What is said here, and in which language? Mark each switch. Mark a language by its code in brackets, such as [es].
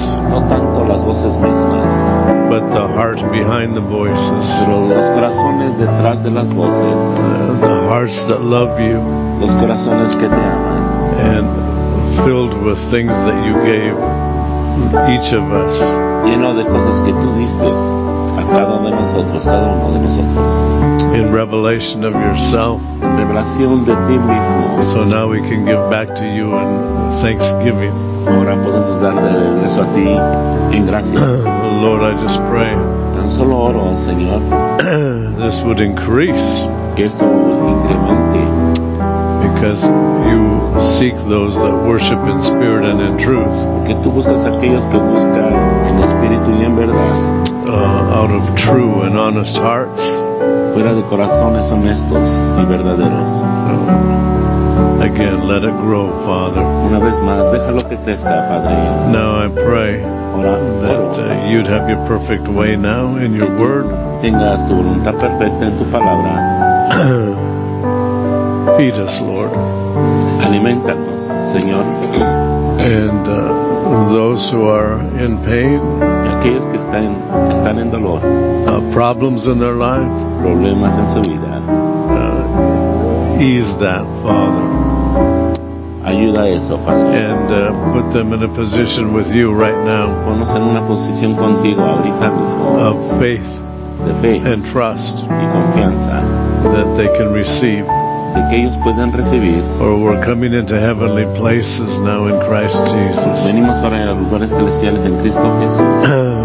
[es] no tanto las voces mismas, [en] but the heart behind the voices. [es] Pero los corazones detrás de las voces. [en] The hearts that love you. [es] Los corazones que te aman. [en] And filled with things that you gave each of us. [es] Lleno de cosas que tú diste a cada uno de nosotros, cada uno de nosotros. [en] In revelation of yourself. [es] Revelación de ti mismo. [en] So now we can give back to you in thanksgiving. [es] Ahora podemos dar de regreso a ti en gracia. [en] Lord, I just pray. [es] Tan solo oro, Señor. [en] This would increase. [es] Que esto incremente. [en] Because you seek those that worship in spirit and in truth. [es] Porque tú buscas aquellos que buscan en espíritu y en verdad. [en] Out of true and honest hearts. [es] Fuera de corazones honestos y verdaderos. [en] So, again, let it grow, Father. [es] Una vez más, déjalo que crezca, Padre. [en] Now I pray that you'd have your perfect way now in your word. [es] Tengas tu voluntad perfecta en tu palabra. [en] Feed us, Lord. [es] Alimentanos, Señor. [en] And those who are in pain. [es] Aquellos que están en dolor. [en] Problems in their life. [es] Problemas en su vida. [en] Ease that, Father. [es] Ayuda eso, Padre. [en] And put them in a position with you right now. [es] Ponlos en una posición contigo ahorita mismo. [en] Of faith. [es] De fe. [en] And trust. [es] Y confianza. [en] That they can receive. [es] De que ellos puedan recibir. [en] Or we're coming into heavenly places now in Christ Jesus. [es] Venimos ahora a lugares celestiales en Cristo Jesús.